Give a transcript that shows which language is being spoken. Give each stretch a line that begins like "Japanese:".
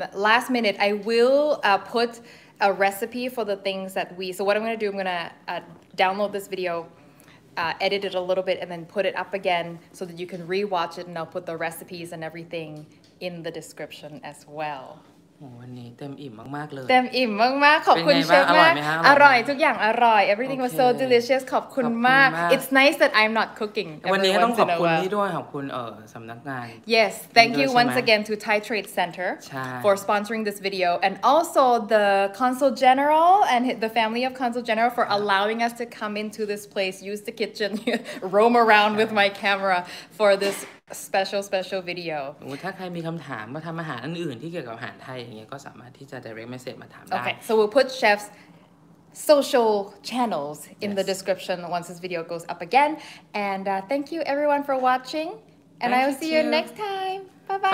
English: Last minute, I will put a recipe for the things that we, so what I'm going to do, I'm going to download this video, edit it a little bit, and then put it up again so that you can rewatch it, and I'll put the recipes and everything in the description as well.
Thai: วันนี้เต็มอิ่มมากๆเลย เต็มอิ่มมากๆขอบคุณเชฟมากอร่อยทุกอย่างอร่อย
English: everything was so delicious
Thai: ขอบคุณมาก
English: it's nice that I'm not cooking
Thai: วันนี้ต้องขอบคุณนี่ด้วยขอบคุณสำนักงาน
English: yes thank you once again to Thai Trade Center for sponsoring this video and also the Consul General and the family of Consul General for allowing us to come into this place use the kitchen roam around with my camera for thisspecial video
Thai: ถ้าใครมีคำถามมาทำอาหารอื่นๆที่เกี่ยวกับอาหารไทยอย่างเงี้ยก็สามารถที่จะ direct message มาถามได้
English: Okay so we'll put chef's social channels in the description once this video goes up again and thank you everyone for watching and I will see you next time bye bye